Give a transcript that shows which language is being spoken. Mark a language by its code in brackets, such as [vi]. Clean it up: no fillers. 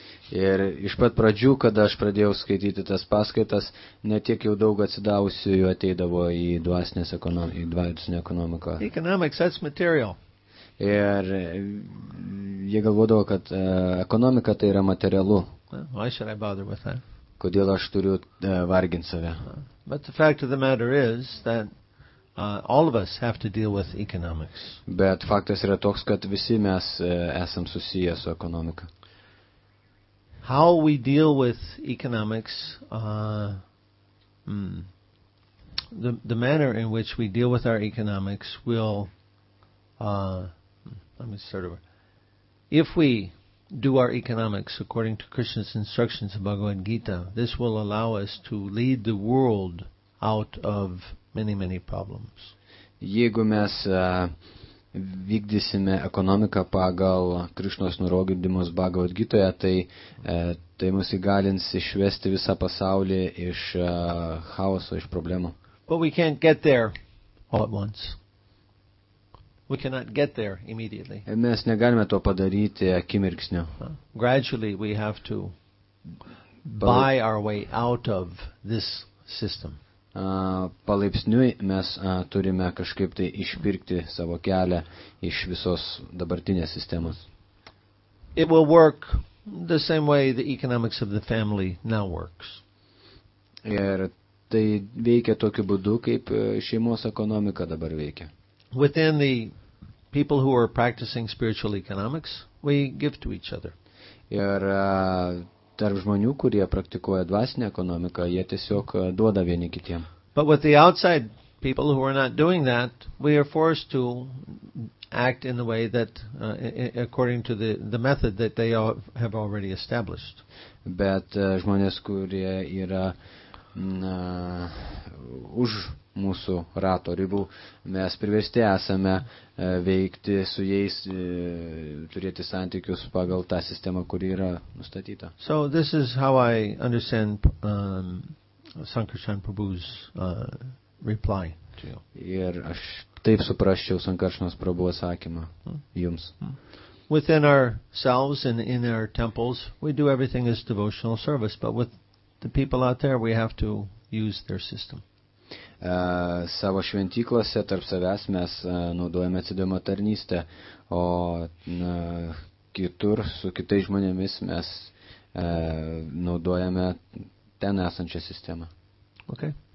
[lt] Ir iš pat pradžių, kada aš pradėjau skaityti tas paskaitas, ne tiek jau daug atsidavusių jų ateidavo į dvasinę ekonomiką. [en] Economics, that's material. [lt] Ir jie galvodavo, kad ekonomika tai yra materialu. [en] Why should I bother with that? [lt] Kodėl aš turiu varginti save? [en] But the fact of the matter is that all of us have to deal with economics. [lt] Bet faktas yra toks, kad visi mes esam susiję su ekonomika. [en] How we deal with economics, the manner in which we deal with our economics will, if we do our economics according to Krishna's instructions in Bhagavad Gita, this will allow us to lead the world out of many, many problems. [lt] Jeigu mes vykdysime ekonomiką pagal Krišnos nurodymus Bhagavad Gitoje, tai mus įgalins išvesti visą pasaulį iš chaoso, iš problemų. [en] But we can't get there all at once. We cannot get there immediately. [lt] Mes negalime to padaryti akimirksniu. [en] Gradually we have to buy our way out of this system. [lt] Palaipsniui mes turime kažkaip tai išpirkti savo kelią iš visos dabartinės sistemos. [en] It will work the same way the economics of the family now works. [lt] Ir tai veikia tokiu būdu, kaip šeimos ekonomika dabar veikia. [en] Within the people who are practicing spiritual economics, we give to each other. [lt] Ir tarp žmonių, kurie praktikuoja dvasinę ekonomiką, jie tiesiog duoda vieni kitiem. [en] But with the outside people who are not doing that, we are forced to act in the way that according to the method that they have already established. [lt] Bet žmonės, kurie yra už mūsų rato ribų, mes priversti esame veikti su jais, turėti santykius pagal tą sistemą, kuri yra nustatyta. [en] So this is how I understand Sankarshan Prabhu's reply to you. [lt] Ir aš taip suprasčiau Sankarshanas Prabhu atsakymą jums. [en] Within ourselves and in our temples, we do everything as devotional service, but with the people out there, we have to use their system. [lt] Savo šventyklose tarp savęs mes naudojame atsidavimo tarnystę, o kitur su kitais žmonėmis mes naudojame ten esančią sistemą. [en] Okay.